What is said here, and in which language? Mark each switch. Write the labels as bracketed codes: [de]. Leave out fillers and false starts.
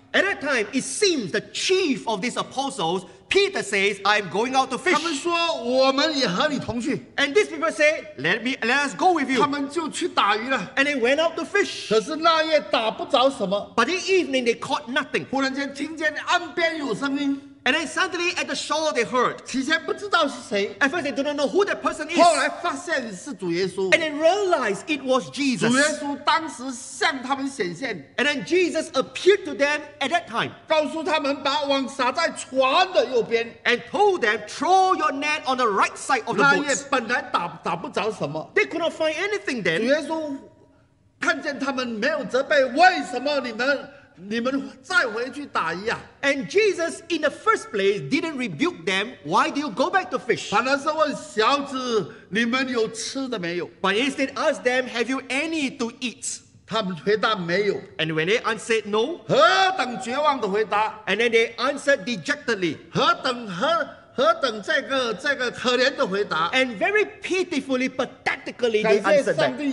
[en] At that time, it seems the chief of these apostles, Peter, says, "I'm going out to fish." [zh] 他们说，我们也和你同去。 [en] And these people say, "Let us go with you." [zh] 他们就去打鱼了。 [en] And they went out to fish. [zh] 可是那夜打不着什么。 [en] But the evening they caught nothing. [zh] 忽然间听见岸边有声音。 [en] And then suddenly at the shore they heard. [zh] 起先不知道是谁。 [en] At first they do not know who that person is. [zh] 后来发现是主耶稣。 [en] And they realized it was Jesus. [zh] 主耶稣当时向他们显现。 [en] And then Jesus appeared to them at that time. [zh] 告诉他们把网撒在船的右边。 [en] And told them, throw your net on the right side of the boat. [zh] 那夜本来打不着什么。 [en] They could not find anything then. [zh] 主耶稣看见他们没有责备，为什么你们再回去打鱼啊。 [en] And Jesus in the first place didn't rebuke them. Why do you go back to fish? [zh] 反而是问小子，你们有吃的没有？ [en] But instead ask them, have you any to eat? [zh] 他们回答没有。 [en] And when they answered no, [zh] 何等绝望的回答。 [en] And then they answered dejectedly, [zh] 何等这个可怜的回答。 [en] And very pitifully, pathetically, they answered that. [zh] 感谢上帝